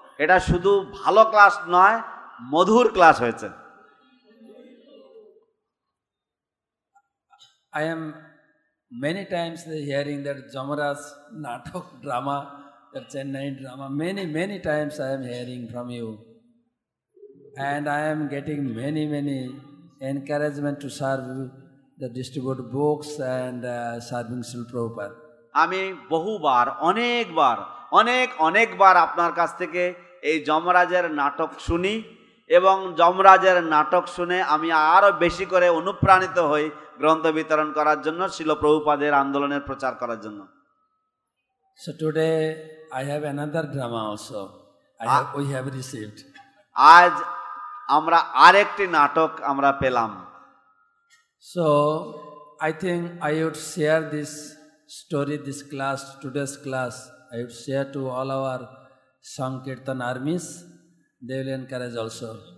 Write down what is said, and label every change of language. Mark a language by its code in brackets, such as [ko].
[bn] এটা শুধু ভালো ক্লাস নয়, মধুর ক্লাস হয়েছে। [en] I am many times hearing that Jamaraj natak drama, that Chennai drama, many many times I am hearing from you, and I am getting many many encouragement to serve the distribute books and serving Srila Prabhupada. [bn] Ami bahubar onek bar onek onek bar apnar kach theke ei Jamaraj er natak shuni ebong Jamaraj er natak shune ami aro beshi kore onuprannito hoi গ্রন্থ বিতরণ করার জন্য, শিল প্রভুপাদের আন্দোলনের প্রচার করার জন্য। [en] So today I have another drama also we have received. [bn] আজ আমরা আরেকটি নাটক আমরা পেলাম। [en] So I think I would share this story, this class, today's class, I would share to all our সংকীর্তন armies, they will encourage also.